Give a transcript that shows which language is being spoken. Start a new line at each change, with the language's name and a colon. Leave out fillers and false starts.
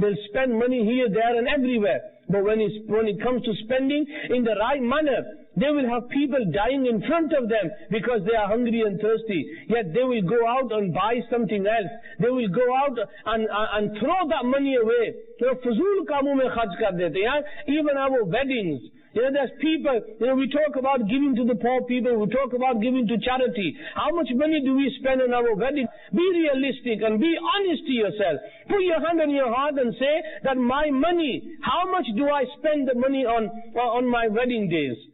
English: They'll spend money here, there and everywhere. But when it comes to spending in the right manner, they will have people dying in front of them because they are hungry and thirsty. Yet they will go out and buy something else. They will go out and throw that money away.
Urdu: So فضول کاموں میں خرچ کر دیتے ہیں۔
English: Even our weddings. You know, there's people, you know, we talk about giving to the poor people, we talk about giving to charity. How much money do we spend on our wedding? Be realistic and be honest to yourself. Put your hand on your heart and say that my money, how much do I spend the money on my wedding days?